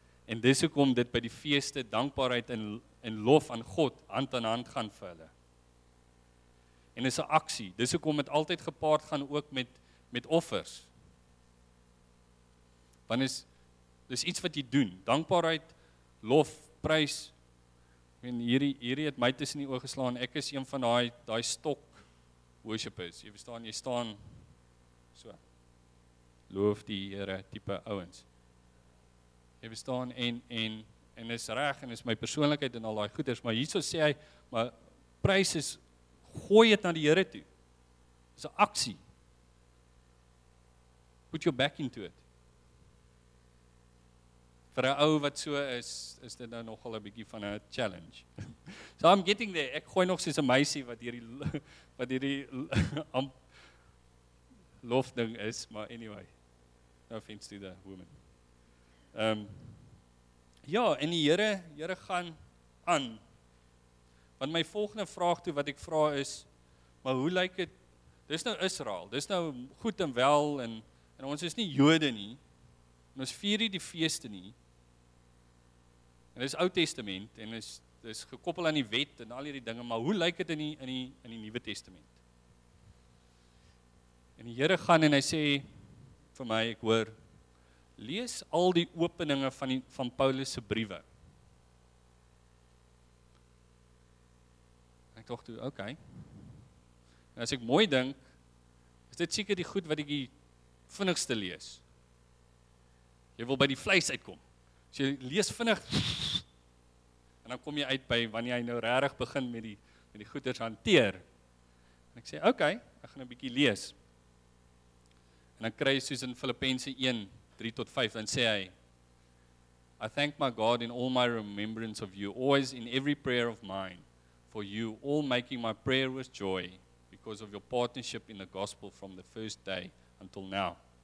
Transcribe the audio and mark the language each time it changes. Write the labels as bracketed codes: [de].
[af] En dis hoekom dit by die feeste dankbaarheid en lof aan God hand aan hand gaan vir hulle. En dis 'n aksie. Dis hoekom dit altyd gepaard gaan ook met offers. Want dis iets wat jy doen. Dankbaarheid lof, prys. Ek meen hierdie het my tussen die oë geslaan. Ek is een van daai stok worshipers. Jy verstaan, jy staan so. Loof die Here tipe ouens. Jy verstaan en is reg en is my persoonlikheid en al daai goeders, maar hierso sê hy, maar prys is gooi dit na die Here toe. Dis 'n aksie. [en] Put your back into it. [af] Vir 'n ou wat so is, is dit nou nogal 'n bietjie van 'n challenge. [en] So I'm getting there. [af] Ek gooi nog soos 'n meisie wat hierdie lof ding is, maar anyway. [en] No offense to the woman. [af] Ja, en die Here gaan aan. Want my volgende vraag toe wat ek vra is, maar hoe lyk dit? Dis nou Israel. Dis nou goed en wel en ons is nie Jode nie. En ons vier nie die feeste nie. En dis Ou Testament en dis gekoppel aan die wet en al hierdie dinge, maar hoe lyk dit in die Nuwe Testament? En die Here gaan en hy sê vir my, ek hoor, lees al die openinge van Paulus se briewe. Ek dink toe, okay. En as ek mooi dink, is dit seker die goed wat ek die vinnigste lees. Jy wil by die vleis uitkom. As jy lees vinnig en dan kom jy uit by wanneer jy nou regtig begin met die goeders hanteer. En ek sê, okay, ek gaan 'n bietjie lees. En dan kry jy soos in Filippense 1, 3 tot 5, dan sê hy, [en] I thank my God in all my remembrance of you, always in every prayer of mine, for you all making my prayer with joy, because of your partnership in the gospel from the first day until now.